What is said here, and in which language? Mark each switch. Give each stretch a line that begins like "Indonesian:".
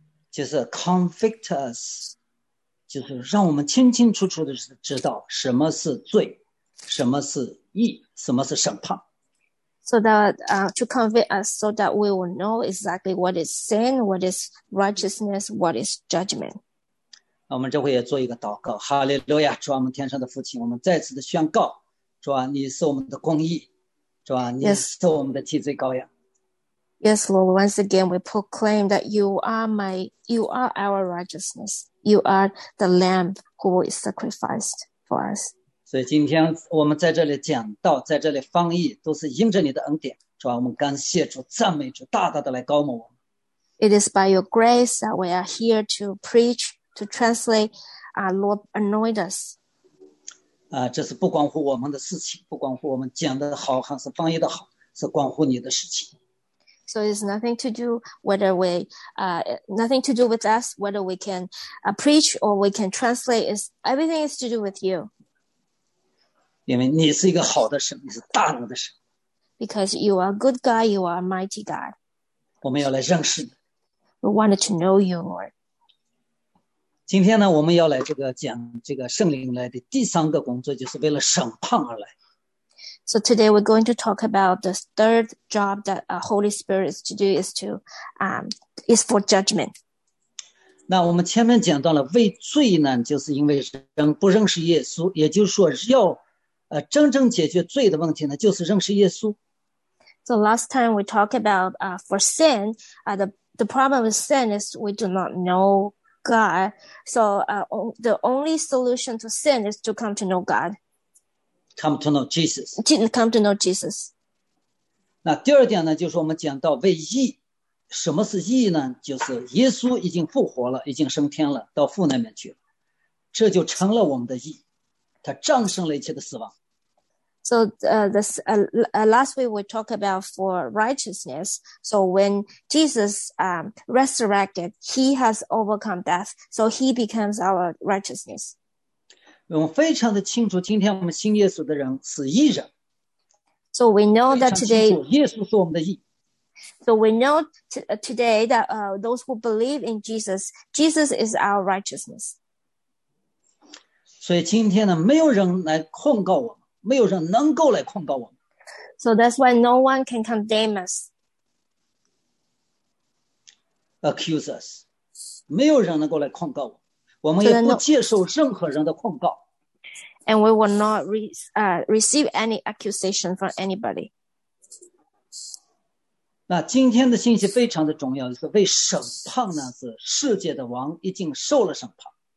Chinese: 就是
English: convict us,
Chinese: 就是让我们清清楚楚的知道什么是罪，什么是义，什么是审判。
English: So that to convict us, so that we will know exactly what is sin, what is righteousness, what is judgment.
Chinese: 那我们这回也做一个祷告，哈利路亚，主啊，我们天上的父亲，我们再次的宣告，主啊，你是我们的公义，主啊，你是我们的替罪羔羊。
English: Yes, Lord, once again, we proclaim that you are our righteousness. You are the Lamb who is sacrificed for us.
Chinese: 所以今天我们在这里讲道，在这里翻译，都是因着你的恩典。主啊，我们感谢主，赞美主，大大的来高牧我们。
English: It is by your grace that we are here to preach, to translate, Lord, anoint us.
Chinese: 这是不关乎我们的事情，不关乎我们讲的好还是翻译的好，是关乎你的事情。
English: So it's nothing to do whether we, nothing to do with us, whether we can preach or we can translate. It's, everything is to do with you.
Chinese: 因为你是一个好的神，你是大能的神。
English: Because you are a good God, you are a mighty God.
Chinese: 我们要来认识你。
English: We wanted to know you, Lord.
Chinese: 今天呢，我们要来这个讲这个圣灵来的第三个工作，就是为了审判而来。
English: So today we're going to talk about the third job that Holy Spirit is to do is for judgment.
Chinese: 那我们前面讲到了为罪呢，就是因为人不认识耶稣，也就是说要真正解决罪的问题呢，就是认识耶稣。
English: So last time we talked about for sin, the problem with sin is we do not know God. So the only solution to sin is to come to know God. Come to know Jesus. Come to know Jesus.
Chinese: 那第二点呢，就是我们讲到为义。什么是义呢？就是耶稣已经复活了，已经升天了，到父那边去了，这就成了我们的义。他战胜了一切的死亡。
English: So last week we talked about for righteousness. So when Jesus resurrected, he has overcome death. So he becomes our righteousness.
Chinese: 我们非常的清楚，今天我们信耶稣的人是义人。
English: So we know that today,
Chinese: 耶稣是我们的义。
English: So we know today that those who believe in Jesus, Jesus is our righteousness.
Chinese: 所以今天呢，没有人来控告我们，没有人能够来控告我们。
English: So that's why no one can condemn us, accuse us.
Chinese: 没有人能够来控告我们。我们也不接受任何人的控告。
English: And we will not receive any accusation from anybody.
Chinese: 那今天的信息非常的重要，就是为审判呢，是世界的王已经受了审判。